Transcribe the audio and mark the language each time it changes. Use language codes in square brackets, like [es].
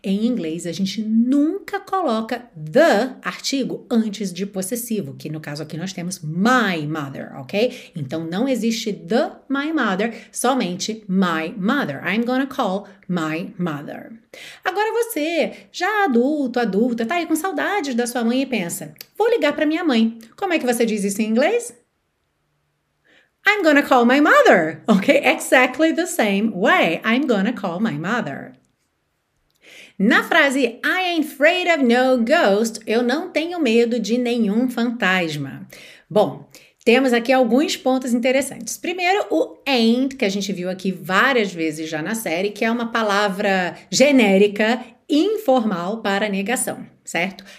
[pt] Em inglês, a gente nunca coloca the artigo antes de possessivo, que no caso aqui nós temos my mother, ok? Então, não existe the my mother, somente my mother. [en] I'm gonna call my mother. [pt] Agora você, já adulto, adulta, tá aí com saudades da sua mãe e pensa, vou ligar pra minha mãe. Como é que você diz isso em inglês? [en] I'm gonna call my mother, ok? Exactly the same way. I'm gonna call my mother. [pt] Na frase, [en] I ain't afraid of no ghost, [pt] eu não tenho medo de nenhum fantasma. Bom, temos aqui alguns pontos interessantes. Primeiro, o ain't, que a gente viu aqui várias vezes já na série, que é uma palavra genérica, informal para negação, certo?